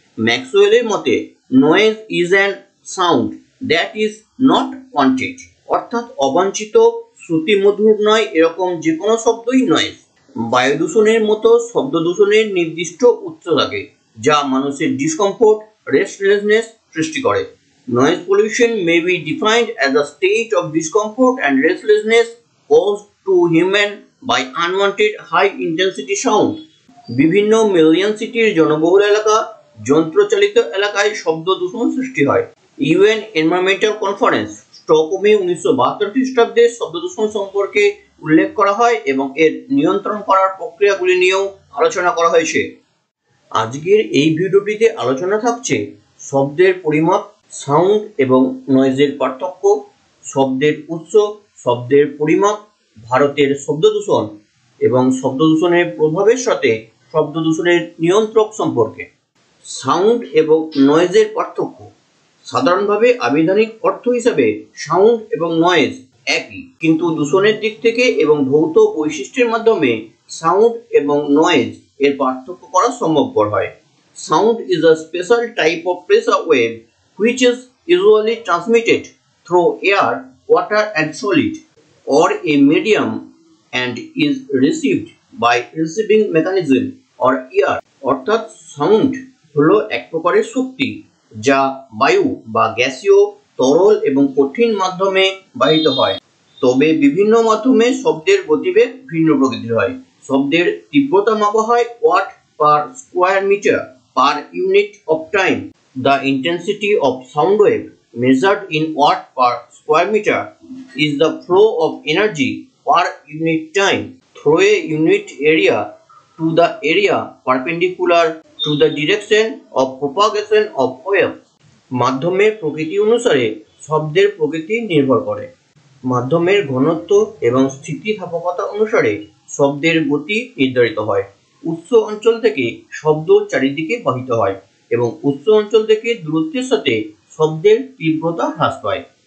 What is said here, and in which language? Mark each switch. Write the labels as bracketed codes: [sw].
[bn] ম্যাক্সওয়েলের মতে, [en] noise is an sound that is not wanted, [bn] অর্থাৎ অবাঞ্ছিত শ্রুতি মধুর নয় এরকম যে কোনো শব্দই নয়েজ। বায়ু দূষণের মতো শব্দ দূষণের নির্দিষ্ট উৎস থাকে যা মানুষের ডিসকমফোর্ট রেস্টলেসনেস সৃষ্টি করে। [en] Noise pollution may be defined as a state of discomfort and restlessness caused to human by unwanted high intensity sound. [bn] বিভিন্ন মিলিয়ন সিটির জনবহুল এলাকা, যন্ত্রচালিত এলাকায় শব্দ দূষণ সৃষ্টি হয়। UN এনভায়রনমেন্টাল কনফারেন্স স্টকহোমে 1972 খ্রিস্টাব্দে শব্দ দূষণ সম্পর্কে উল্লেখ করা হয় এবং এর নিয়ন্ত্রণ করার প্রক্রিয়াগুলি নিয়েও আলোচনা করা হয়েছে। আজকের এই ভিডিওটিতে আলোচনা থাকছে শব্দের পরিমাপ, সাউন্ড এবং নয়েজের পার্থক্য, শব্দের উৎস, শব্দের পরিমাপ, ভারতের শব্দ দূষণ এবং শব্দ দূষণের প্রভাবের সাথে শব্দ দূষণের নিয়ন্ত্রক সম্পর্কে। সাউন্ড এবং নয়েজের পার্থক্য। সাধারণভাবে আবিধানিক অর্থ হিসাবে সাউন্ড এবং নয়েজ একই, কিন্তু দূষণের দিক থেকে এবং ভৌত বৈশিষ্ট্যের মাধ্যমে সাউন্ড এবং নয়েজ এর পার্থক্য করা সম্ভবপর হয়। [en] Sound is a special type of pressure wave which is usually transmitted through air, water and solid or a medium and is received by receiving mechanism or ear. [bn] অর্থাৎ সাউন্ড হলো এক প্রকারের শক্তি যা বায়ু বা গ্যাসীয় তরল এবং কঠিন মাধ্যমে বাহিত হয়। তবে বিভিন্ন মাধ্যমে শব্দের গতিবেগ ভিন্ন প্রকৃতির হয়। শব্দের তীব্রতা মাপা হয় watt per square metre per unit of time. [en] The intensity of sound wave measured in watt per square meter is the flow of energy per unit time through a unit area to the area perpendicular to the direction of propagation of wave. [bn] মাধ্যমের প্রকৃতি অনুসারে শব্দের প্রকৃতি নির্ভর করে। মাধ্যমের ঘনত্ব এবং স্থিতিস্থাপকতা অনুসারে শব্দের গতি নির্ধারিত হয়। উৎস অঞ্চল থেকে শব্দ চারিদিকে বাহিত হয় এবং উচ্চ অঞ্চল থেকে দূরত্বের সাথে শব্দের তীব্রতা হ্রাস পায়।